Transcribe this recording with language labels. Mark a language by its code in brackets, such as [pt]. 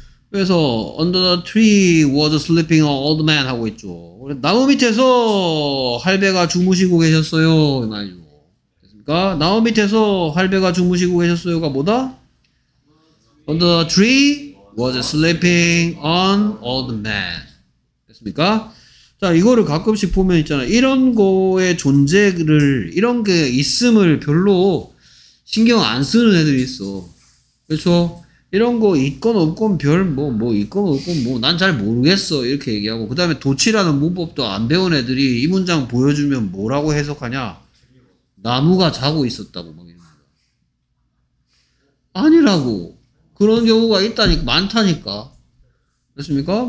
[en] 그래서 under the tree was sleeping an old man [ko] 하고 있죠. 나무 밑에서 할배가 주무시고 계셨어요. 말이죠. 됐습니까? 나무 밑에서 할배가 주무시고 계셨어요가 뭐다? [en] Under the tree was sleeping an old man. [ko] 됐습니까? 자, 이거를 가끔씩 보면 있잖아. 이런 거의 존재를 이런 게 있음을 별로 신경 안 쓰는 애들이 있어. 그렇죠? 이런 거 있건 없건 별 뭐 있건 없건 뭐 난 잘 모르겠어 이렇게 얘기하고 그 다음에 도치라는 문법도 안 배운 애들이 이 문장 보여주면 뭐라고 해석하냐 나무가 자고 있었다고 막 이런 거 아니라고 그런 경우가 있다니까 많다니까 됐습니까?